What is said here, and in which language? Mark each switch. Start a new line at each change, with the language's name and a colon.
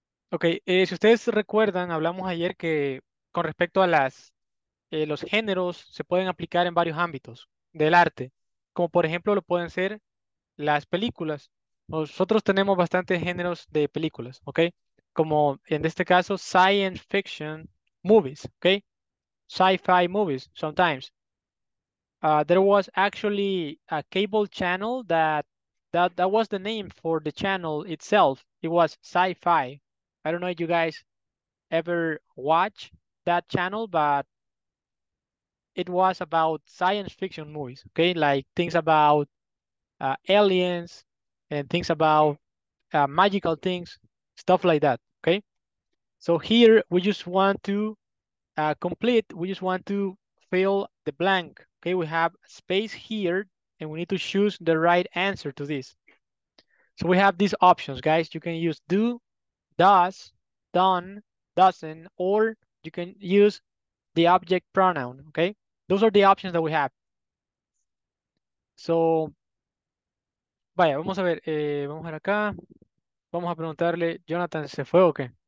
Spanish: Ok, si ustedes recuerdan, hablamos ayer que con respecto a los géneros se pueden aplicar en varios ámbitos del arte. Como por ejemplo lo pueden ser las películas. Nosotros tenemos bastantes géneros de películas, ¿ok? Como en este caso,
English: science fiction movies,
Spanish: ¿ok?
English: Sci-fi movies, sometimes. There was actually a cable channel that was the name for the channel itself. It was sci-fi. I don't know if you guys ever watch that channel, but it was about science fiction movies, ¿ok? Like things about aliens, and things about magical things, stuff like that, okay? So here, we just want to complete, we just want to fill the blank, okay? We have space here, and we need to choose the right answer to this. So we have these options, guys. You can use do, does, done, doesn't, or you can use the object pronoun, okay? Those are the options that we have. So...
Spanish: Vaya, vamos a ver, vamos a ver acá, vamos a preguntarle, Jonathan, ¿se fue o qué?